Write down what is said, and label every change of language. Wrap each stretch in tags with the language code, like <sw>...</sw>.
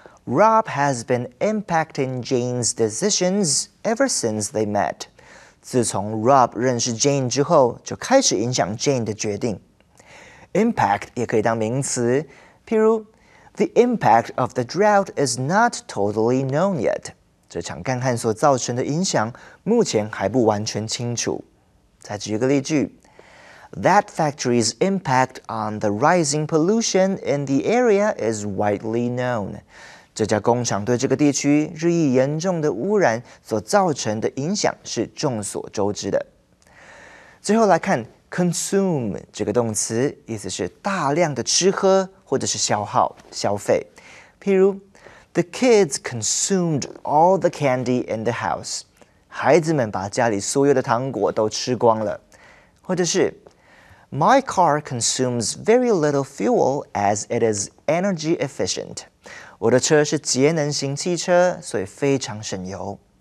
<en>Rob has been impacting Jane's decisions ever since they met.</en> <zh>自从 Rob 认识 Jane 之后，就开始影响 Jane 的决定。</zh> <en>Impact</en> <zh>也可以当名词，譬如</zh> <en>The impact of the drought is not totally known yet.</en> <zh>这场干旱所造成的影响目前还不完全清楚。再举一个例句。</zh> <en>That factory's impact on the rising pollution in the area is widely known.</en> <zh>这家工厂对这个地区日益严重的污染所造成的影响是众所周知的。最后来看 consume 这个动词，意思是大量的吃喝或者是消耗、消费。譬如</zh> <en>The kids consumed all the candy in the house.</en> <zh>孩子们把家里所有的糖果都吃光了。或者是</zh> <en>My car consumes very little fuel as it is energy efficient.</en> <zh>我的车是节能型汽车，所以非常省油。</zh>